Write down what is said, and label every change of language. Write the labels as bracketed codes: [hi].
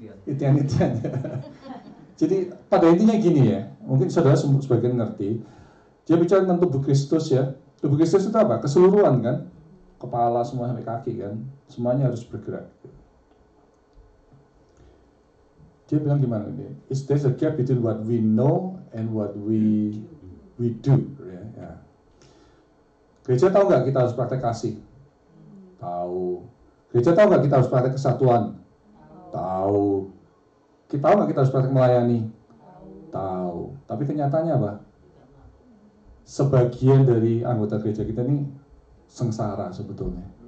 [id] Itian. Jadi, pada intinya gini ya. Mungkin saudara sebagian ngerti. Dia bicara tentang tubuh Kristus ya. Tubuh Kristus itu apa? Keseluruhan kan? Kepala semua sampai kaki kan? Semuanya harus bergerak. Dia bilang gimana ini? [en] Is there a gap between what we know and what we do? Yeah. [id] Gereja tahu nggak kita harus praktek kasih? Tahu. Gereja tahu nggak kita harus praktek kesatuan? Tahu. Kita tahu nggak kita harus praktek melayani? Tahu. Tapi kenyataannya apa? Sebagian dari anggota gereja kita ini sengsara sebetulnya.